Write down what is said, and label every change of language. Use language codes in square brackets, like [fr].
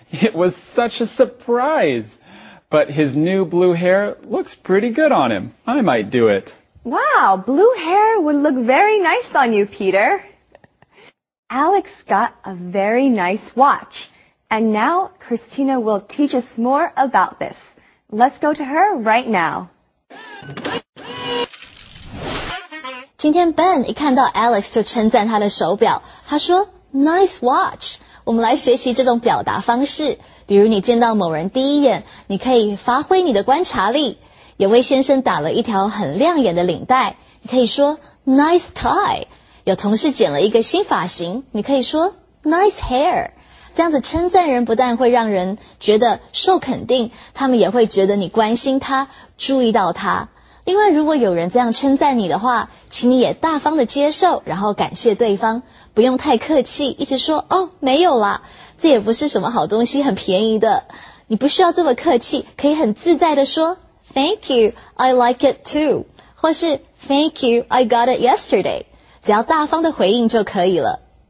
[en] It was such a surprise. But his new blue hair looks pretty good on him. I might do it. Wow, blue hair would look very nice on you, Peter. Alex got a very nice watch. And now Christina will teach us more about this. Let's go to her right now. [zh] 今天 Ben 一看到 Alex 就称赞他的手表。他说 , [en] Nice watch. [zh] 我们来学习这种表达方式，比如你见到某人第一眼，你可以发挥你的观察力。有位先生打了一条很亮眼的领带，你可以说 [en] nice tie。 [zh] 有同事剪了一个新发型，你可以说 [en] nice hair。 [zh] 这样子称赞人不但会让人觉得受肯定，他们也会觉得你关心他，注意到他。另外，如果有人这样称赞你的话，请你也大方的接受，然后感谢对方，不用太客气，一直说，哦，没有啦，这也不是什么好东西，很便宜的。你不需要这么客气，可以很自在地说 [en] Thank you, I like it too. [zh] 或是 [en] Thank you, I got it yesterday. [zh] 只要大方地回应就可以了。